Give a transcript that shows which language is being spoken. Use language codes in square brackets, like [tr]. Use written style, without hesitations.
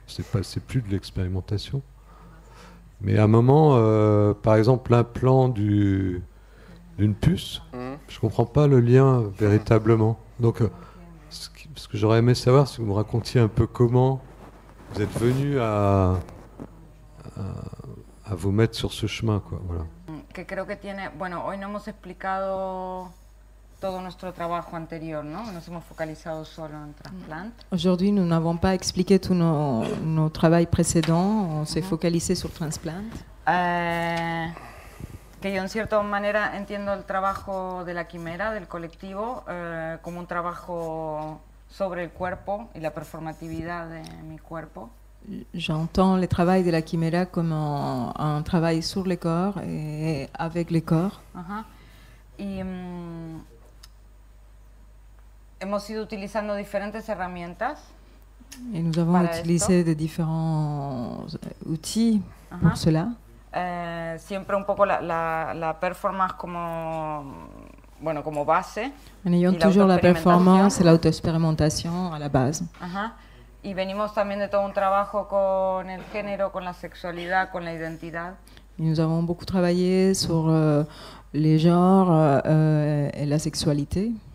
[fr] C'est plus de l'expérimentation. Mais à un moment, par exemple, l'implant d'une puce, je comprends pas le lien véritablement. Donc, ce que j'aurais aimé savoir, c'est que vous me racontiez un peu comment vous êtes venu à vous mettre sur ce chemin, quoi. Voilà. [es] Que creo que tiene. Bueno, hoy no hemos explicado todo nuestro trabajo anterior, ¿no? Nos hemos focalizado solo en trasplant. [fr] Aujourd'hui, nous n'avons pas expliqué tous nos travaux précédents. On s'est focalisé sur transplant. [es] Que yo en cierta manera entiendo el trabajo de la quimera, del colectivo, como un trabajo sobre el cuerpo y la performatividad de mi cuerpo. [fr] J'entends le travail de la quimera como un travail sur le corps et avec le corps. [es] Y hemos ido utilizando diferentes herramientas. [fr] Et nous avons utilisé des différents outils pour cela. [es] Siempre un poco la performance como bueno como base. [fr] En ayant toujours la performance et l'auto-expérimentation à la base. [es] Y venimos también de todo un trabajo con el género, con la sexualidad, con la identidad. [fr] Et nous avons beaucoup travaillé sur les genres et la sexualité.